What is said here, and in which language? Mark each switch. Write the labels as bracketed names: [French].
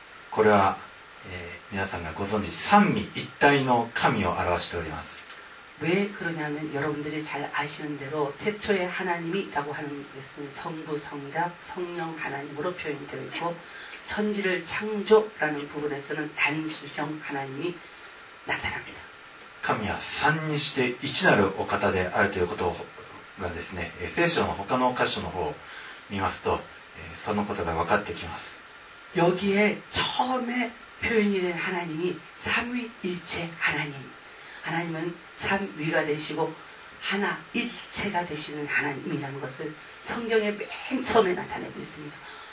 [Japanese] これは、皆さんがご存知三位一体の神を表しております。 [Korean] 왜 그러냐면 여러분들이 잘 아시는 대로 태초에 하나님이라고 하는 것은 성부, 성자, 성령 하나님으로 표현되어 있고 천지를 창조라는 부분에서는 단수형 하나님이 나타납니다. [Japanese] 神は3にして1なるお方であるということがですね、聖書の他の箇所の方を見ますと、そのことが分かってきます。 [Korean] 여기에처음에표현이된하나님이삼위일체하나님하나님은삼위가되시고하나일체가되시는하나님이라는것을성경에맨처음에나타내고있습니다